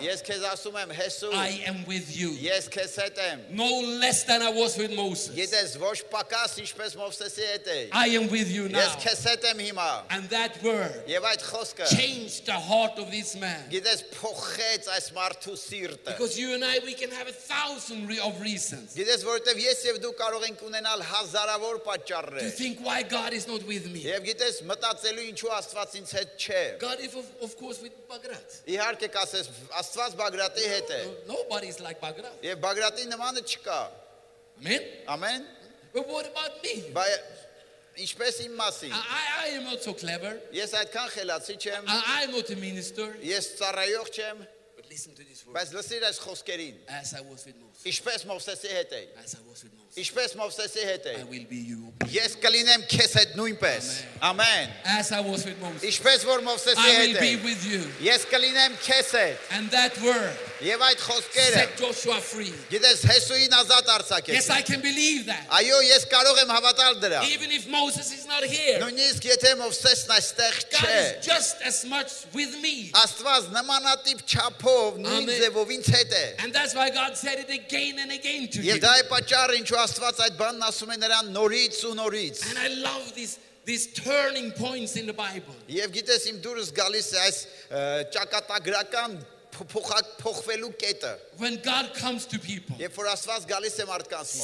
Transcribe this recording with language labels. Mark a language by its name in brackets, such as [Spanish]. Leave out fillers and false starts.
[Armenian] ես քեզ ասում եմ Հեսուս [English] I am with you [Armenian] ես քեզ հետ եմ [English] no less than I was with Moses [Armenian] գիտես ոչ պակաս ինչպես Մովսեսի հետ էի [English] I am with you now [Armenian] ես քեզ հետ եմ հիմա [English] and that word [Armenian] եւ այդ խոսքը [English] changed the heart of this man [Armenian] գիտես փոխեց այս մարդու սիրտը [English] because you and I we can have a thousand of reasons [Armenian] գիտես որովհետեւ ես եւ դու կարող ենք ունենալ հազարավոր պատճառներ [English] you think why God is not with me [Armenian] եւ գիտես մտածելու ինչու Աստված ինձ հետ չէ [English] God is of course with Bagrat [Armenian] Իհարկե կասես Աստված Բագրատի հետ է [English] Nobody is like Bagrat [Armenian] Եվ Բագրատի նմանը չկա [English] Amen Amen But what about me [Armenian] Բայ ինչպես իմ մասին [English] I am not so clever [Armenian] Ես այդքան խելացի չեմ [English] I am not a minister [Armenian] Ես ծառայող չեմ [English] But listen to this word [Armenian] Բայց լսիր այս խոսքերին [English] As I was with Moses [Armenian] Ինչպես Մովսեսի հետ էի [English] As I was with Moses [Armenian] Ինչպես Մովսեսի հետ էի [English] I will be you [Armenian] Ես կլինեմ քեզ հետ նույնպես Amen [English] As I was with Moses [Armenian] Ինչպես որ Մովսեսի հետ էի [English] I will be with you [Armenian] Ես կլինեմ քեզ հետ [English] And that word [Armenian] Եվ այդ խոսքերը [English] Set Joshua free [Armenian] Գիտես Հեսուին ազատ արձակեց [English] Yes I can believe that [Armenian] Այո ես կարող եմ հավատալ դրա [English] Even if Moses is not here [Armenian] Նույնիսկ եթե Մովսեսն այստեղ չէ [English] God is just as much with me [Armenian] Աստված նմանատիպ չափով նույն ձևով ինձ հետ է [English] And that's why God said it again and again to him [Armenian] Եվ դա է պատճառը ինչու Աստված այդ բանն ասում է նրան նորից ու նորից [English] And I love this these turning points in the Bible. [Armenian] Եվ գիտես, իմ դուրս գալիս է այս ճակատագրական փոխվելու կետը. [English] When God comes to people. [Armenian] Երբ որ Աստված գալիս է մարդկանց մոտ.